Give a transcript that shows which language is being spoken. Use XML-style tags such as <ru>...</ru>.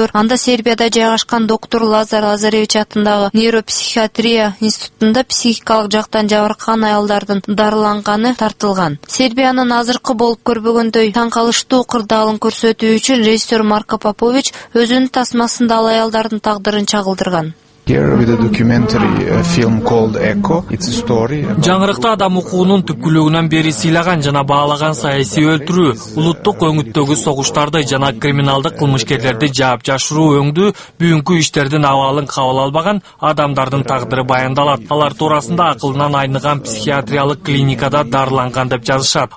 <ky>Анда Сербияда жайгашкан доктор Лазар Лазаревич атындагы нейропсихиатрия институтунда психикалык жактан жабыркаган аялдардын дарыланганы тартылган. Сербиянын азыркы болуп көрбөгөндөй таң калыштуу кырдаалын көрсө өтүү үчүн режиссер Марко Попович өзүнүн тасмасында ал аялдардын тагдырын чагылдырган.</ky> <en>Here with a documentary film called Echo. It's a story.</en> <ky>Жаңырыкта адам укугунун түпкүлүгүнөн бери сыйлаган жана баалаган саясий өлтүрүү, улуттук өңүттөгү согуштарды жана криминалдык кылмышкерлерди жаап жашыруу өңдүү бүгүнкү иштердин абалын кабыл албаган адамдардын тагдыры баяндалат. Алар туурасында акылынан айныган психиатриялык клиникада дарыланган деп жазышат.</ky>